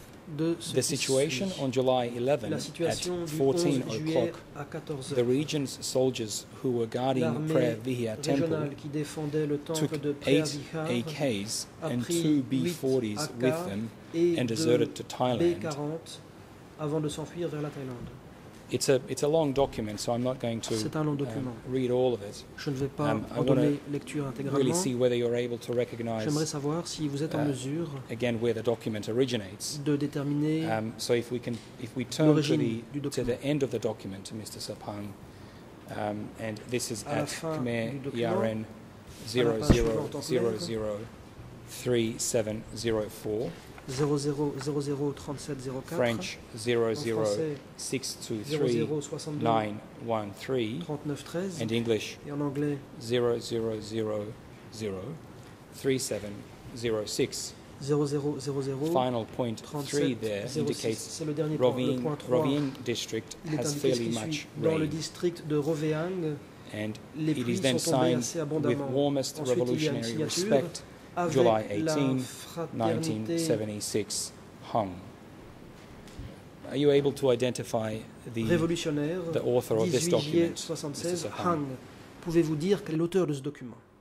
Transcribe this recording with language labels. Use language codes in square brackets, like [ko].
[en] The situation on July 11 at 14 o'clock, the region's soldiers who were guarding Preah Vihear Temple took 8 AKs and 2 B-40s with them and deserted to Thailand. [fr] Avant de s'enfuir vers la Thaïlande. [en] It's a long document, so I'm not going to read all of it. [fr] Je ne vais pas en donner lecture intégralement. [en] Really see whether you're able to recognize. [fr] J'aimerais savoir si vous êtes en mesure. [en] Again, where the document originates. [fr] De déterminer. [en] So if we turn to the end of the document, Mr. Sapang, and this is at Khmer Yaren 00003704. 00003704 French 00623913 and English 00003706. Final point 3 there indicates Rovinj district has fairly much rain, and it is then signed with warmest revolutionary respect. July 18, 1976, Hung. Are you able to identify the author of this document, Mr. Hung? [fr] Pouvez-vous dire quel est l'auteur de ce document?